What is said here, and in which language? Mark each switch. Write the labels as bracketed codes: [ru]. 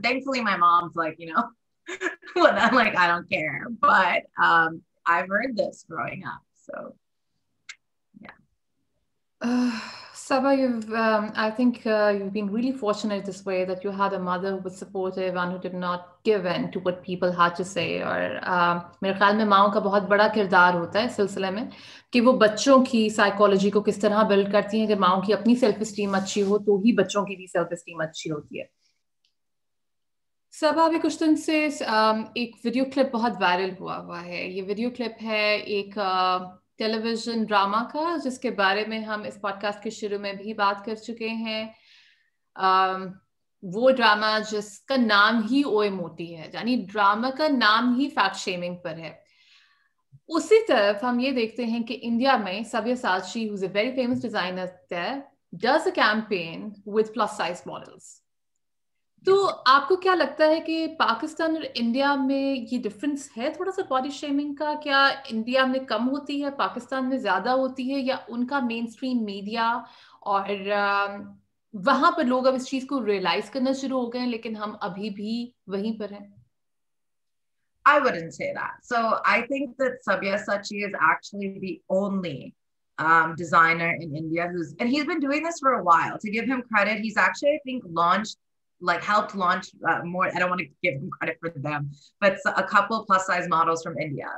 [en] Thankfully, my mom's like, you know, well, I'm like, I don't care, but I've heard this growing up, so yeah. Sabah, you've been really fortunate this way, that you had a mother who was supportive and who did not give in to what people had to say. [ur] اور میرے خیال میں ماؤں کا بہت بڑا کردار ہوتا ہے اس سلسلے میں کہ وہ بچوں کی سائیکالوجی کو کس طرح بلڈ کرتی ہیں. اگر ماؤں کی اپنی سیلف اسٹیم اچھی ہو تو ہی بچوں کی بھی سیلف اسٹیم اچھی ہوتی ہے. سبھا, ابھی کچھ دن سے ایک ویڈیو کلپ بہت وائرل ہوا ہوا ہے. یہ ویڈیو کلپ ہے ایک ٹیلی ویژن ڈراما کا, جس کے بارے میں ہم اس پوڈ کاسٹ کے شروع میں بھی بات کر چکے ہیں. وہ ڈراما جس کا نام ہی اوئے موٹی ہے, یعنی ڈراما کا نام ہی فیکٹ شیمنگ پر ہے. اسی طرف ہم یہ دیکھتے ہیں کہ انڈیا میں سبیاساچی, [en] Who is a very famous designer, does a campaign with plus size models. [ur] تو آپ کو کیا لگتا ہے کہ پاکستان اور انڈیا میں یہ ڈفرینس ہے تھوڑا سا باڈی شیمنگ کا؟ کیا انڈیا میں کم ہوتی ہے, پاکستان میں زیادہ ہوتی ہے, یا ان کا مین اسٹریم میڈیا اور وہاں پر لوگ اب اس چیز کو ریئلائز کرنا شروع ہو گئے ہیں لیکن ہم ابھی بھی وہیں پر ہیں؟ [en] I wouldn't say that. So I think that Sabyasachi is actually the only designer in India who's, and he's been doing this for a while. To give him credit, he's actually, I think, helped launch more, I don't want to give him credit for them, but a couple of plus size models from India.